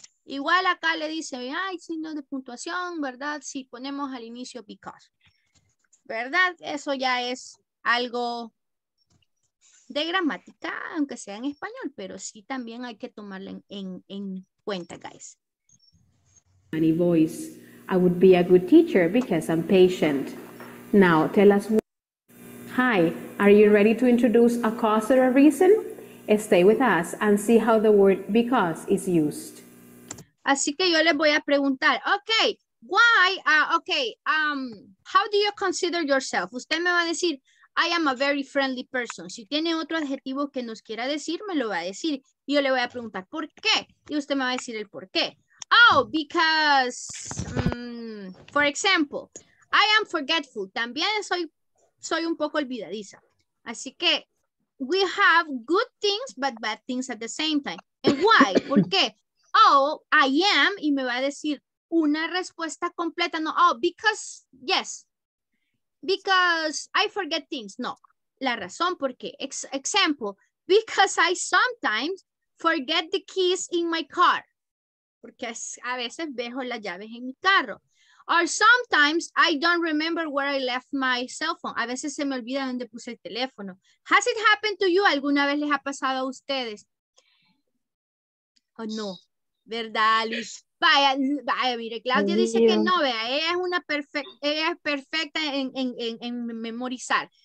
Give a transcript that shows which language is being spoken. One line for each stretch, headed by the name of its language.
Spanish: Igual acá le dice, ay, signo de puntuación, ¿verdad? Si ponemos al inicio because. ¿Verdad? Eso ya es algo de gramática, aunque sea en español, pero sí también hay que tomarla en cuenta, guys.
English: Any voice. I would be a good teacher because I'm patient. Now, tell us. Hi, are you ready to introduce a cause or a reason? Stay with us and see how the word because is used.
Spanish: Así que yo les voy a preguntar,
English: okay, why, okay, how do you consider yourself?
Spanish: Usted me va a decir,
English: I am a very friendly person.
Spanish: Si tiene otro adjetivo que nos quiera decir, me lo va a decir. Yo le voy a preguntar, ¿por qué? Y usted me va a decir el por qué.
English: Oh, because, for example, I am forgetful.
Spanish: También soy un poco olvidadiza. Así que,
English: we have good things, but bad things at the same time. And why?
Spanish: ¿Por qué?
English: Oh, I am,
Spanish: y me va a decir una respuesta completa.
English: No, oh, because, yes. Because I forget things.
Spanish: No, la razón por qué.
English: Example, because I sometimes forget the keys in my car.
Spanish: Porque a veces dejo las llaves en mi carro.
English: Or sometimes I don't remember where I left my cell phone.
Spanish: A veces se me olvida dónde puse el teléfono.
English: Has it happened to you?
Spanish: ¿Alguna vez les ha pasado a ustedes? Oh, no. ¿Verdad, Luis? Vaya, mire, Claudia dice que no, vea, ella es perfecta en memorizar.